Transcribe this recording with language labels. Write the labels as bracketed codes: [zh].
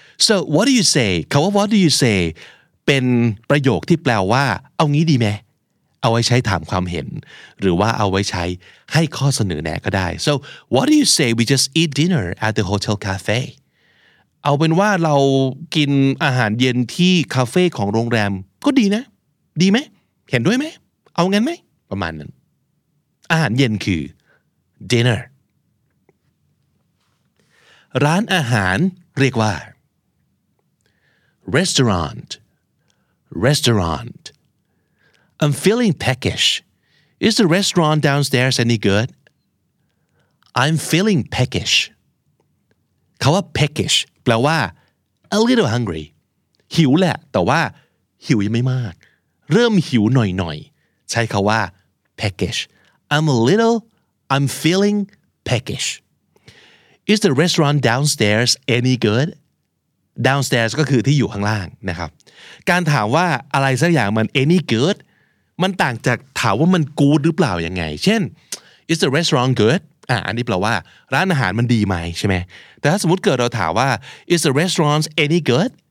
[en] So what do you say [th] คำว่า what do you say เป็นประโยคที่แปลว่าเอางี้ดีไหมเอาไว้ใช้ถามความเห็นหรือว่าเอาไว้ใช้ให้ข้อเสนอแนะก็ได้ [en] So what do you say we just eat dinner at the hotel cafe [th] เอาเป็นว่าเรากินอาหารเย็นที่คาเฟ่ของโรงแรมก็ดีนะดีไหมเห็นด้วยไหมเอางั้นไหมประมาณนั้น อาหารเย็นคือdinner ร้านอาหารเรียกว่า [en] restaurant restaurant I'm feeling peckish is the restaurant downstairs any good I'm feeling peckish [th] คำว่า peckish แปลว่า [en] a little hungry [th] หิวแหละแต่ว่าหิวยังไม่มากเริ่มหิวหน่อยๆใช้คำว่า peckish [en] I'm a littleI'm feeling peckish. Is the restaurant downstairs any good? [th] Downstairs ก็คือที่อยู่ข้างล่างนะครับการถามว่าอะไรสักอย่างมัน any good มันต่างจากถามว่ามัน good หรือเปล่ายังไงเช่น [en] Is the restaurant good? [th] อันนี้แปลว่าร้านอาหารมันดีไหมใช่ไหมแต่ถ้าสมมติเกิดเราถามว่า [en] Is the restaurant any good?